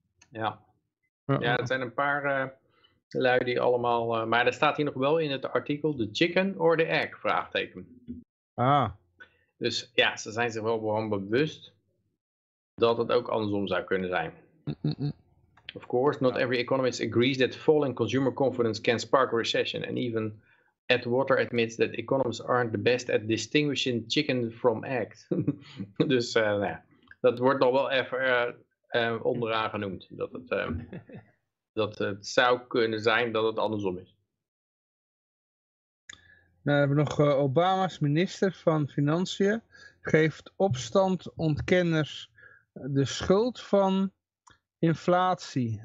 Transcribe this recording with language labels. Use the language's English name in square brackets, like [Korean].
[Dutch] Ja, ja, het zijn een paar... lui die allemaal, maar er staat hier nog wel in het artikel, [English] the chicken or the egg, [Dutch] vraagteken. Ah. Dus ja, ze zijn zich wel gewoon bewust dat het ook andersom zou kunnen zijn. Mm-mm. [English] Of course, not every economist agrees that falling consumer confidence can spark a recession. And even Atwater admits that economists aren't the best at distinguishing chicken from egg. [Dutch] Dus dat wordt nog wel even onderaan genoemd. Dat het... dat het zou kunnen zijn dat het andersom is. Nou, we hebben nog Obama's minister van Financiën. Geeft opstand ontkenners de schuld van inflatie.